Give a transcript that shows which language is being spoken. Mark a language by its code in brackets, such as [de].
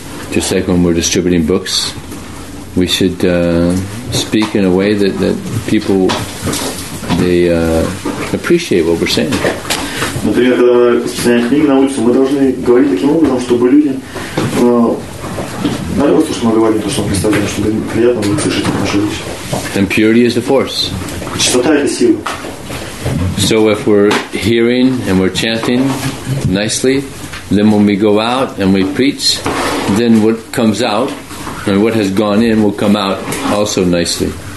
[en] Just like when we're distributing books, we should speak in a way that people, they appreciate what we're saying. [ru] Например, когда мы распространяем книги на улицу, мы должны говорить таким образом, чтобы люди нравилось то, что мы говорим, то, что мы представляем, чтобы приятно было слышать нашу речь. [en] And purity is the force. [ru] Чистота — это сила. [en] So if we're hearing and we're chanting nicely, then when we go out and we preach, then what comes out and what has gone in will come out also nicely.